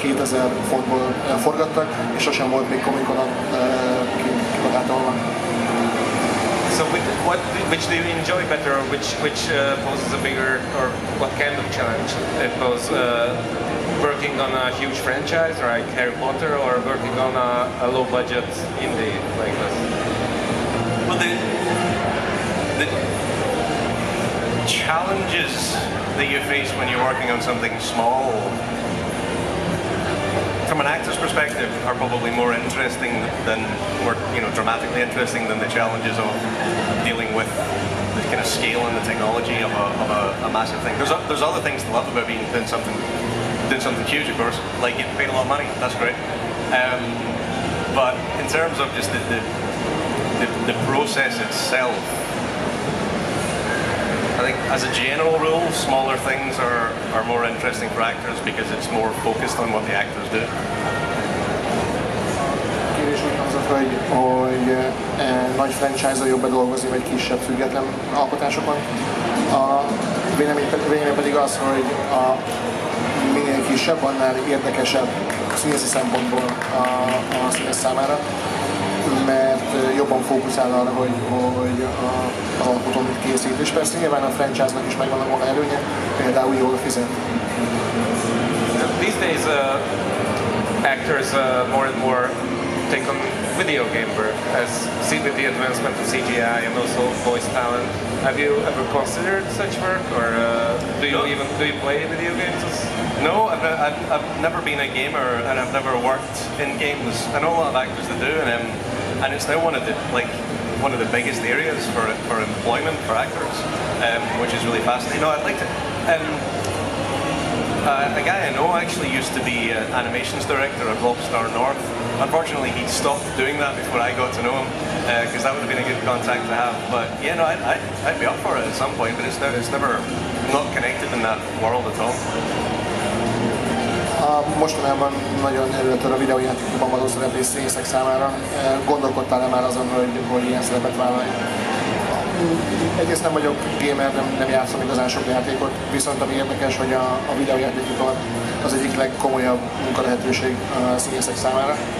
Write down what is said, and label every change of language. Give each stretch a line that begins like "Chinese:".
Hungarian: 2000 fontból forgattak, és sosem volt még Comic Con-on kivagátolva.
English: So, which do you enjoy better, or which poses a bigger, or what kind of challenge? It was working on a huge franchise like Harry Potter, or working on a low budget indie like this? Well, the challenges that you face when you're working on something small, from an actor's perspective, are probably more interesting than, more, you know, dramatically interesting than the challenges of dealing with the kind of scale and the technology of a massive thing. There's other things to love about being doing something huge, of course, like getting paid a lot of money. That's great. But in terms of just the process itself, I think, as a general rule, smaller things are more interesting for actors because it's more focused on what the actors do.
Hungarian: Kérdés úgy hangzott, hogy nagy franchise-a jobb dolgozni, vagy kisebb független alkotásokon. A vélemény pedig az, hogy a minél kisebb, annál érdekesebb színészi szempontból a színész számára, mert jobban fókuszál arra, hogy az alkotó mit készít. És persze nyilván a franchise-nak is megvan a maga előnye, például jól fizet.
English: These days actors more and more take on video game work, as seen with the advancement of CGI and also voice talent. Have you ever considered such work, or do you play video games? No, I've never been a gamer, and I've never worked in games. I know a lot of actors that do, and it's now one of the biggest areas for employment for actors, which is really fascinating. No, I'd like to. A guy I know actually used to be an animations director at Lobstar North. Unfortunately, he stopped doing that before I got to know him, because that would have been a good contact to have. But yeah, no, I'd be up for it at some point, but it's never not connected in that world at all.
Hungarian: Mostanában nagyon előttör a videójátékban való szereplés színészek számára. Gondolkodtál-e már azon, hogy ilyen szerepet vállalj? Egyrészt nem vagyok gamer, nem játszom igazán sok játékot, viszont ami érdekes, hogy a videójátékipar az egyik legkomolyabb munkalehetőség a színészek számára.